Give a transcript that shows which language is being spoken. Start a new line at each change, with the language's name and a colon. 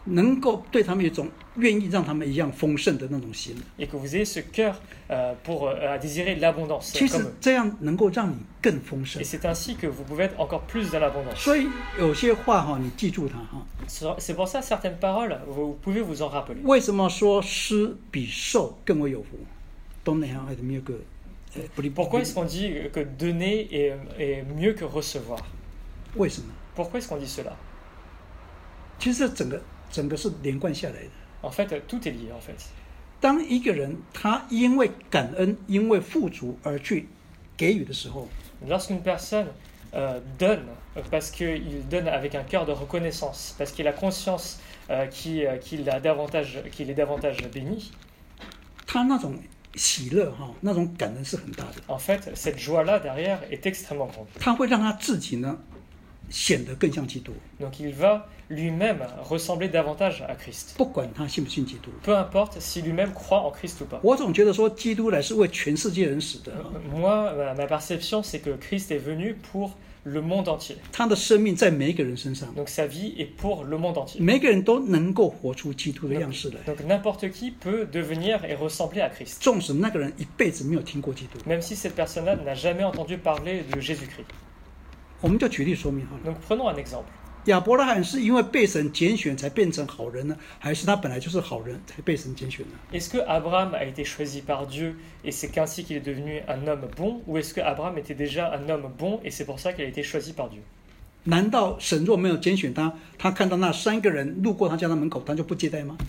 Chinese: 能够对他们有一种愿意让他们一样丰盛的那种心。
French: Et que vous ayez ce cœur pour désirer l'abondance.
Chinese: 其实这样能够让你更丰盛。
French: Et c'est ainsi que vous pouvez être encore plus dans l'abondance.
Chinese: 所以有些话哈，你记住它哈。
French: C'est pour ça certaines paroles. Vous pouvez vous en rappeler.
Chinese: 为什么说施比受更为有福？
French: Donner est mieux que. Pourquoi est-ce qu'on dit que donner est mieux que recevoir?
Chinese: 为什么？
French: Pourquoi est-ce qu'on dit cela?
Chinese: 其实整个是连贯下来的。
French: En fait, tout est lié. En fait,
Chinese: 当一个人他因为感恩、因为富足而去给予的时候
French: ，lorsqu'une personne donne parce qu'il donne avec un cœur de reconnaissance, parce qu'il a consciencequ'il est davantage béni.
Chinese: 他那种喜乐哈，那种感恩是很大的。
French: En fait, cette joie-là derrière est extrêmement grande.
Chinese: 他会让他自己呢显得更像基督。
French: Donc il va lui-même ressembler davantage à Christ.
Chinese: 不管他信不信基督。
French: Peu importe si lui-même croit en Christ ou pas.
Chinese: 我总觉得说基督来是为全世界人死的。
French: Moi, ma perception c'est que Christ est venu pour le monde entier.
Chinese: 他的生命在每一个人身上。
French: Donc sa vie est pour le monde entier.
Chinese: 每个人都能够活出基督的样式来。
French: Donc n'importe qui peut devenir et ressembler à Christ.
Chinese: 纵使那个人一辈子没有听过基督。
French: Même si cette personne-là n'a jamais entendu parler de Jésus-Christ.
Chinese: 我们就举例说明好了。
French: Donc prenons un exemple.
Chinese: 亚伯拉罕是因为被神拣选才变成好人呢，还是他本来就是好人才被神拣选呢？
French: Est-ce que Abraham a été choisi par Dieu et c'est qu'ainsi qu'il est devenu un homme bon, ou est-ce que Abraham était déjà un homme bon et c'est pour ça qu'il a été choisi par Dieu?
Chinese: 难道神若没有拣选他，他看到那三个人路过他家的门口，他就不接待吗？